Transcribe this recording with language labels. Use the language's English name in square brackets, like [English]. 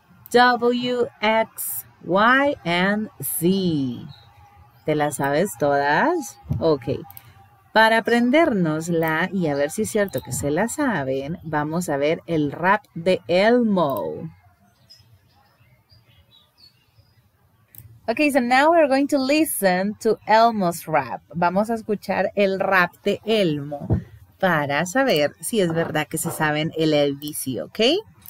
[English] W, X, Y and Z. [Spanish] ¿Te las sabes todas? Ok. Para aprendérnosla y a ver si es cierto que se la saben, vamos a ver el rap de Elmo. [English] Ok, so now we're going to listen to Elmo's rap. [Spanish] Vamos a escuchar el rap de Elmo para saber si es verdad que se saben el ABC, ok.